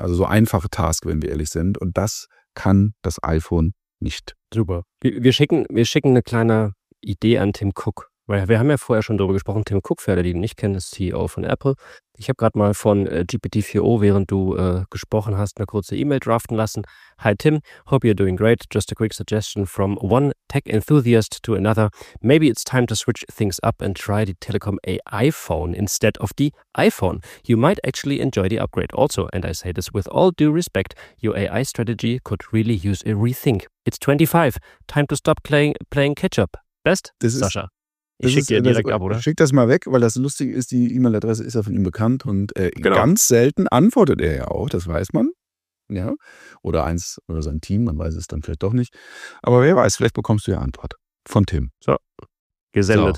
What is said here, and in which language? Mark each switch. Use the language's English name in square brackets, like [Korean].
[German] Also so einfache Task, wenn wir ehrlich sind. Und das kann das iPhone nicht. Super. Wir schicken eine kleine Idee an Tim Cook. Wir haben ja vorher schon darüber gesprochen, Tim Cook, für alle, die ihn nicht kennen, ist CEO von Apple. Ich habe gerade mal von GPT-4o, während du gesprochen hast, eine kurze E-Mail draften lassen. [English] Hi Tim, hope you're doing great. Just a quick suggestion from one tech enthusiast to another. Maybe it's time to switch things up and try the Telekom AI phone instead of the iPhone. You might actually enjoy the upgrade also. And I say this with all due respect, your AI strategy could really use a rethink. It's 25, time to stop playing catch-up. Best, this Sascha. [German] Schick das mal weg, weil das Lustige ist, die E-Mail-Adresse ist ja von ihm bekannt und genau. Ganz selten antwortet er ja auch, das weiß man. Ja. Oder eins oder sein Team, man weiß es dann vielleicht doch nicht. Aber wer weiß, vielleicht bekommst du ja Antwort von Tim. So, gesendet.